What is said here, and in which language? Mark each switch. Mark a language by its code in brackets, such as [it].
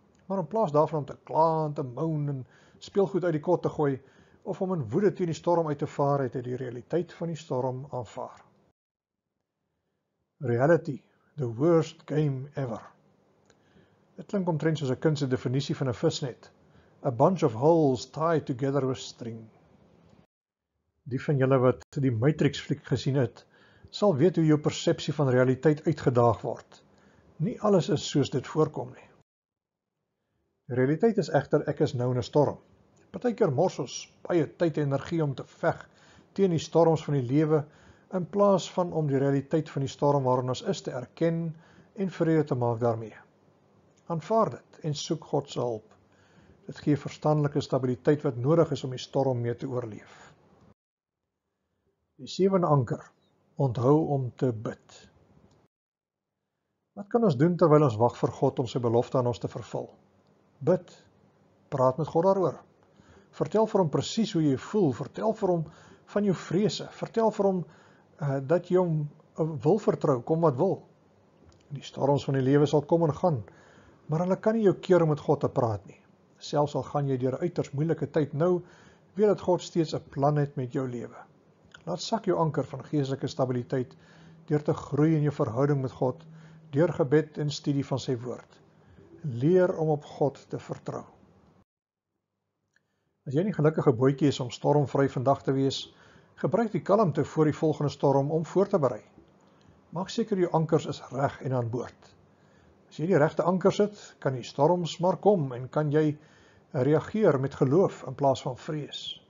[af] Maar in plaas daarvan om te kla en te moan en speelgoed uit die kot te gooi, of om in woede teen die storm uit te vaar, het hy die realiteit van die storm aanvaar. [en] Reality, the worst game ever. [af] Dit klink omtrent soos 'n kind se definisie van 'n visnet. [en] A bunch of holes tied together with string. [af] Die van julle wat die Matrix fliek gesien het, sal weet hoe jou persepsie van realiteit uitgedaag word. Nie alles is soos dit voorkom nie. Realiteit is echter, ek is nou in een storm. Partykeer mors ons baie tyd en energie om te veg teen die storms van die lewe, in plaas van om die realiteit van die storm waarin ons is te erken en vrede te maak daarmee. Aanvaar dit en soek God se hulp. Dit gee verstandelike stabiliteit wat nodig is om die storm mee te oorleef. Die sewende anker, onthou om te bid. Wat kan ons doen terwijl ons wacht vir God om sy belofte aan ons te vervul? Bid, praat met God daaroor. Vertel vir hom precies hoe jy voel, vertel vir hom van jou vrese, vertel vir hom dat jy hom wil vertrou, kom wat wil. Die storms van die lewe sal kom en gaan, maar hulle kan nie jou keer om met God te praat nie. Selfs al gaan jy deur uiters moeilike tyd nou, weet dat God steeds 'n plan het met jou lewe. Laat sak jou anker van geestelike stabiliteit deur te groei in jou verhouding met God, deur gebed en studie van sy woord. Leer om op God te vertrou. As jy nie gelukkige bootjie is om stormvry vandag te wees, gebruik die kalmte voor die volgende storm om voor te berei. Maak seker jou ankers is reg en aan boord. As jy die regte ankers het, kan die storms maar kom en kan jy reageer met geloof in plaas van vrees.